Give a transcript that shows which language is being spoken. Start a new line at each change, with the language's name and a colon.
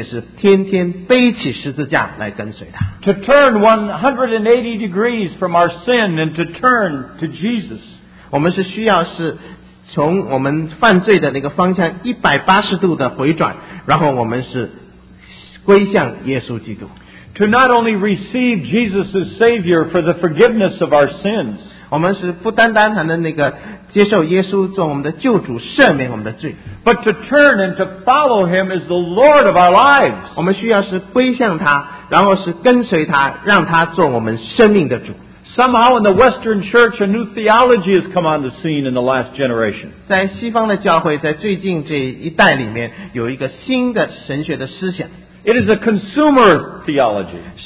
Chinese: 但是还能证明说我们的的确确是舍己的,就是说我们需要是归向主,并且是天天背起十字架来跟随他。
English: To turn 180 degrees from our sin and to turn to Jesus.
Chinese: 我们是需要是从我们犯罪的那个方向180度的回转,然后我们是归向耶稣基督。
English: To not only receive Jesus as Savior for the forgiveness of our sins,
Chinese: 我们是不单单谈的那个接受耶稣做我们的救主赦免我们的罪,
English: but to turn and to follow Him as the Lord of our lives.
Chinese: 我们需要是归向他, 然后是跟随他, 让他做我们生命的主。
English: Somehow in the Western Church, a new theology has come on the scene in the last generation.
Chinese: 在西方的教会, 在最近这一代里面, 有一个新的神学的思想。
English: It is a consumer theology.